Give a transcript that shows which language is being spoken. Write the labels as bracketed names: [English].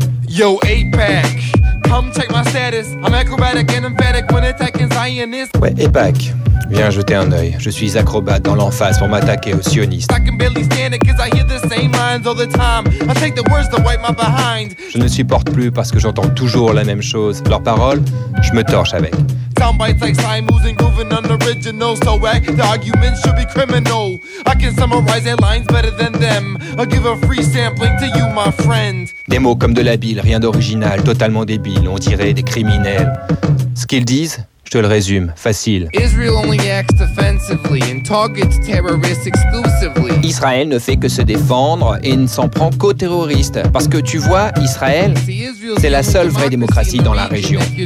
[English] Yo, APAC, come check my status. I'm acrobatic and emphatic when attacking Zionists. [French] Ouais, APAC, viens jeter un œil. Je suis acrobate dans l'emphase pour m'attaquer aux sionistes. [English] I can barely stand it cause I hear the same lines all the time. I take the words to wipe my behind. [French] Je ne supporte plus parce que j'entends toujours la même chose. Leurs paroles, je me torche avec. [English] Soundbites like slime oozing, grooving unoriginal. So whack, the arguments should be criminal. I can summarize their lines better than them. I'll give a free sampling to you, my friend. [French] Des mots comme de la bile, rien d'original, totalement débile, on dirait des criminels. Ce qu'ils disent, je te le résume, facile. [English] Israel only acts defensively and targets terrorists exclusively. [French] Israël ne fait que se défendre et ne s'en prend qu'aux terroristes. Parce que tu vois, Israël, c'est la seule vraie démocratie dans la région.